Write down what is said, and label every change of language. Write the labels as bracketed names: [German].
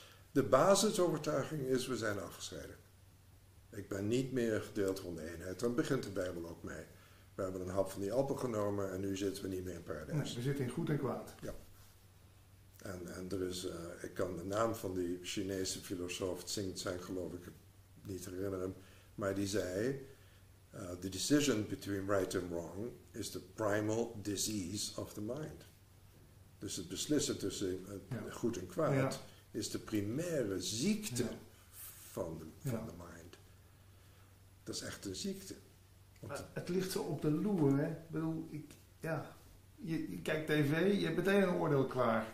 [Dutch] De basisovertuiging is, we zijn afgescheiden. Ik ben niet meer gedeeld van de eenheid. Dan begint de Bijbel ook mee. We hebben een hap van die appel genomen en nu zitten we niet meer in paradijs. Nee, we zitten in goed en kwaad. Ja. En er is, ik kan de naam van die Chinese filosoof Tsing Tseng geloof ik niet herinneren. Maar die zei, [English] the decision between right and wrong is the primal disease of the mind. [Dutch] Dus het beslissen tussen goed en kwaad is de primaire ziekte van de mind. Dat is echt een ziekte. Het ligt zo op de loer, hè? Ik bedoel, je kijkt tv, je hebt meteen een oordeel klaar.